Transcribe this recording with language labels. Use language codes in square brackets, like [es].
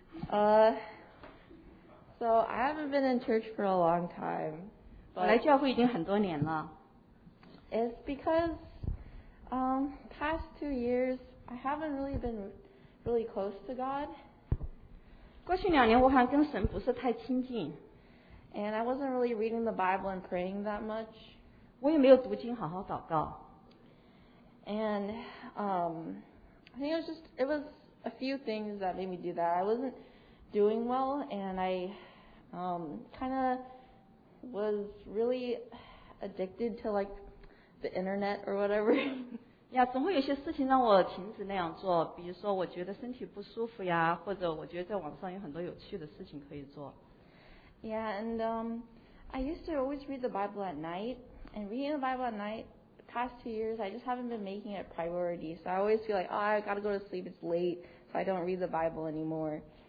[en] So I haven't been in church for a long time. But it's because Past 2 years, I haven't really been really close to God. [zh] 过去两年我还跟神不是太亲近。 [en] And I wasn't really reading the Bible and praying that much. [zh] 我也没有读经好好祷告。 [en] And I think it was a few things that made me do that. I wasn't doing well, and I kind of was really addicted to like the internet or whatever. [zh] 呀，总会有些事情让我停止那样做，比如说我觉得身体不舒服呀，或者我觉得在网上有很多有趣的事情可以做。 [en] Yeah, and I used to always read the Bible at night, and reading the Bible at night, the past 2 years, I just haven't been making it a priority, so I always feel like, oh, I gotta go to sleep, it's late, so I don't read the Bible anymore.